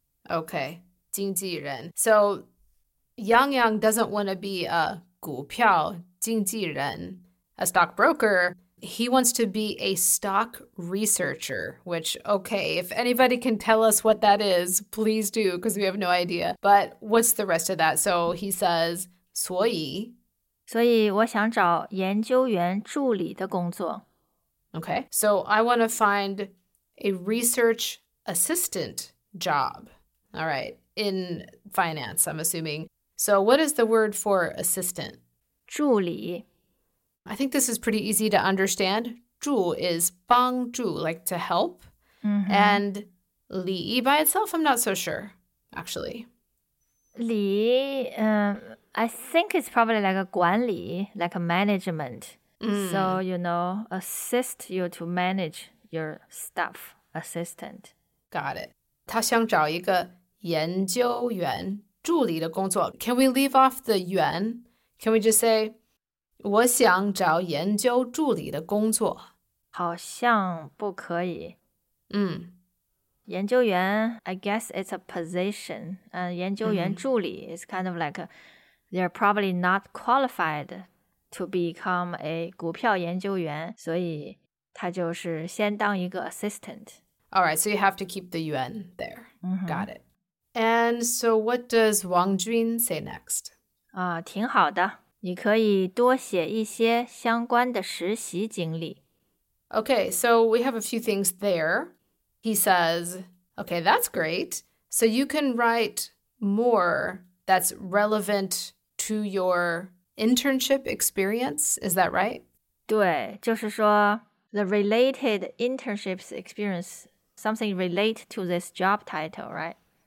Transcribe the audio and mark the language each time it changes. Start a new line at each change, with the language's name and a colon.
English: Okay, 经纪人。So, Yang Yang doesn't want to be a 股票经纪人, a stock broker. He wants to be a stock researcher, which, okay, if anybody can tell us what that is, please do, because we have no idea. But what's the rest of that? So, he says, 所以...
Chinese: 所以我想找研究员助理的工作。
English: Okay, so I want to find a research assistant job. All right, in finance, I'm assuming. So what is the word for assistant?
Chinese: 助理。
English: I think this is pretty easy to understand. 助 is 帮助, like to help. And 理 by itself, I'm not so sure, actually. 理, I think it's probably like a 管理, like a management. So, you know, assist you to manage your stuff, assistant. Got it.
Chinese: 他想找一个研究员助理的工作。
English: Can we leave off the 员?Can we just say,
Chinese: 我想找研究助理的工作。好像不可以。嗯。
English: 研究员, I guess it's a position. 研究员助理 is kind of like a... They're probably not qualified to become a 股票研究员,
Chinese: 所以他就是先当一个
English: assistant. All right, so you have to keep the yuan there. Mm-hmm. Got it. And so what does Wang Jun say next?
Chinese: 挺好的。你可以多写一些相关的实习经历。
English: Okay, so we have a few things there. He says, okay, that's great. So you can write more that's relevant to your internship experience. Is that right?
Chinese: 对，就是说
English: the related internship experience, something related to this job title, right?